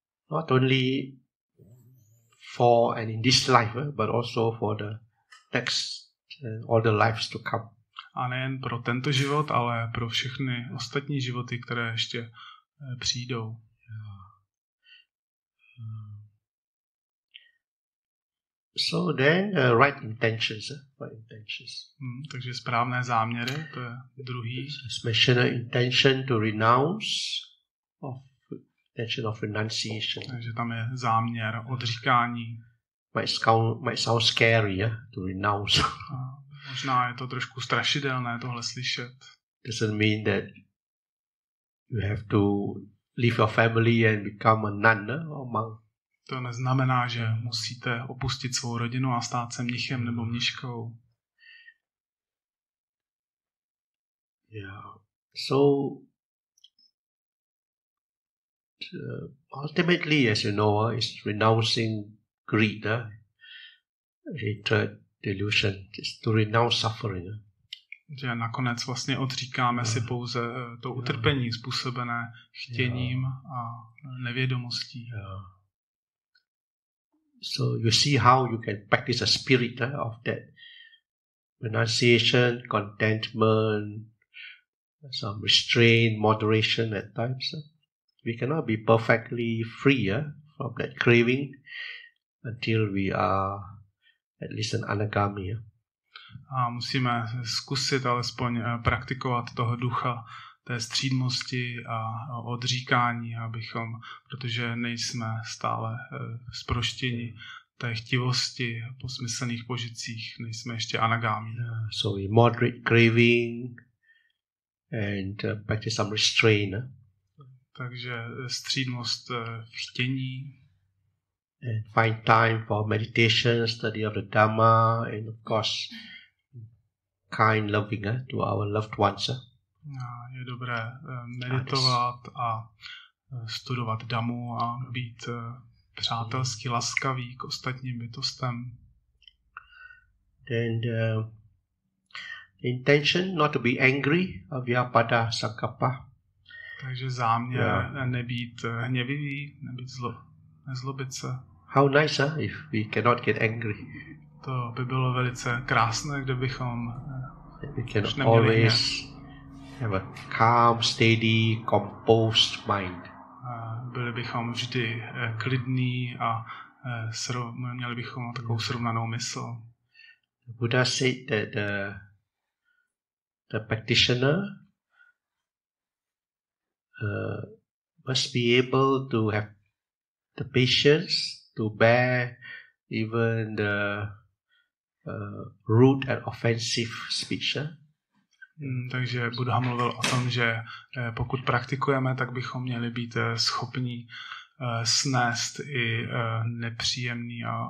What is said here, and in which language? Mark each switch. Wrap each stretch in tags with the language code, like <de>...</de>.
<en>Not only for and in this life, but also for the next all the lives to come.</en> <cs>A nejen pro tento život, ale pro všechny ostatní životy, které ještě přijdou. Yeah.</cs> <en>So then right intentions, right intentions.</en> <cs>Takže správné záměry, to je druhý.</cs> <en>Special intention to renounce of intention of renunciation.</en> <cs>Takže tam je záměr odříkání.</cs> <en>Might sound scary, to renounce.</en> <cs>Možná je to trošku strašidelné tohle slyšet.</cs> <en>Doesn't mean that you have to leave your family and become a nun or monk.</en> <cs>To neznamená, že musíte opustit svou rodinu a stát se mnichem nebo mniškou. Yeah.</cs> <en>So ultimately, as you know, is renouncing greed, hatred, delusion, is to renounce suffering.</en> <cs>Že nakonec vlastně odříkáme si pouze to utrpení způsobené chtěním a nevědomostí.</cs> <en>So you see how you can practice a spirit of that renunciation, contentment, some restraint, moderation at times. We cannot be perfectly free from that craving until we are at least an anagami.</en> <cs>A musíme zkusit alespoň praktikovat toho ducha té střídmosti a odříkání, abychom, protože nejsme stále zproštěni té chtivosti po smyslných požitcích, nejsme ještě anagámi.</cs> <en>So we moderate craving and practice some restraint.</en> <cs>Takže střídmost v chtění.</cs> <en>And find time for meditation, study of the Dhamma and of course kind, loving to our loved ones.</en> <cs>Je dobré meditovat a studovat Dhammu a být přátelský, laskavý k ostatním bytostem.</cs> <en>Then the intention not to be angry, avyapada sakappa.</en> <cs>Takže záměr nebýt hněvivý, nebýt nezlobit se.</cs> <en>How nice if we cannot get angry.</en> <cs>To by bylo velice krásné, kdybychom</cs> <en>we can always have a calm, steady, composed mind.</en> <cs>Byli bychom vždy klidní a měli bychom takovou srovnanou mysl.</cs> <en>The Buddha said that the practitioner must be able to have the patience to bear even the rude and offensive speech.</en> <cs>Takže Buddha mluvil o tom, že pokud praktikujeme, tak bychom měli být schopni snést i nepříjemný</cs>